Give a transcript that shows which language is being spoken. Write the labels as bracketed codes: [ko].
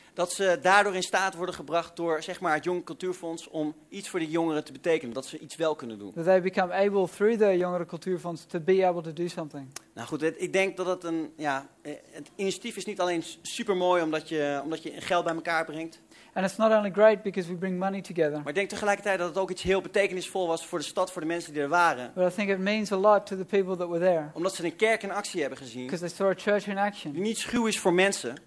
[nl] Dat ze daardoor in staat worden gebracht door zeg maar het Jongeren Cultuurfonds om iets voor die jongeren te betekenen, dat ze iets wel kunnen doen. [en] That they become able through the Jongeren Cultuurfonds to be able to do something. [nl] Nou goed, ik denk dat het een ja, het initiatief is niet alleen super mooi omdat je geld bij elkaar brengt. [en] And it's not only great because we bring money together. [nl] Maar ik denk tegelijkertijd dat het ook iets heel betekenisvol was voor de stad, voor de mensen die er waren. [en] But I think it means a lot to the people that were there. [nl] Omdat ze een kerk in actie hebben gezien. [en] Because they saw a church in action. [nl] Die niet schuw is voor mensen.